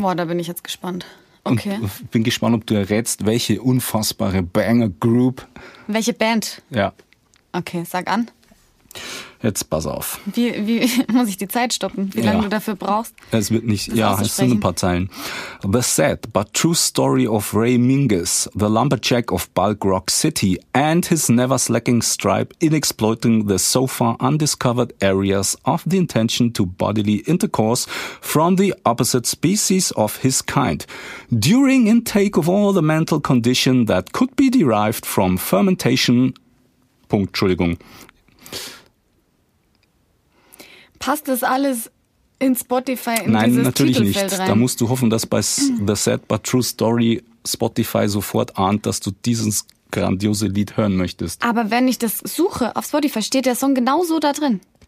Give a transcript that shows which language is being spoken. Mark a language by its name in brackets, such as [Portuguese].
[German] Boah, da bin ich jetzt gespannt. Okay. Und bin gespannt, ob du errätst, welche unfassbare Banger Group. Welche Band? Ja. Okay, sag an. Jetzt pass auf. Wie muss ich die Zeit stoppen? Wie lange du dafür brauchst? Es wird nicht, es sind ein paar Zeilen. [English] The sad but true story of Ray Mingus, the lumberjack of Bulk Rock City and his never slacking stripe in exploiting the so far undiscovered areas of the intention to bodily intercourse from the opposite species of his kind. During intake of all the mental condition that could be derived from fermentation. [German] Passt das alles in Spotify, in dieses Titelfeld? Nein, natürlich nicht. Da musst du hoffen, dass bei The Sad But True Story Spotify sofort ahnt, dass du dieses grandiose Lied hören möchtest. Aber wenn ich das suche auf Spotify, steht der Song genauso da drin?